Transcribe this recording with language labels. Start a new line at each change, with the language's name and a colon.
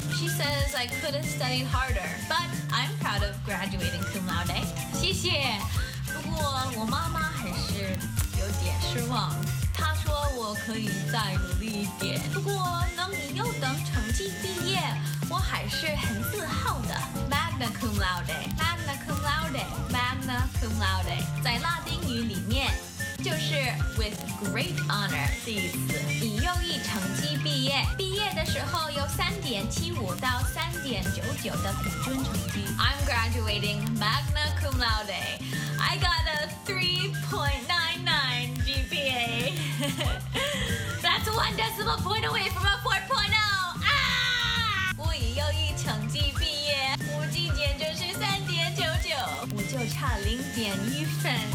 English: She says I could have studied harder, but I'm proud of graduating cum laude.
Chinese: 谢谢，不过我妈妈还是有点失望，他说我可以再努力一点，不过能以优等成绩毕业，我还是很自豪的。
Latin: Magna cum laude, magna cum laude,
Chinese: magna cum laude， 在拉丁语里面就是
English: with great honor
Chinese: 的意思，以优异成绩毕业，毕业的时候有 3.75 到 3.99 的平均成绩。
English: I'm graduating magna cum laude, I got a 3.99 GPA. That's one decimal point away from a 4.0. 啊！
Chinese: 我以优异成绩毕业，我今年就是 3.99， 我就差0.1分。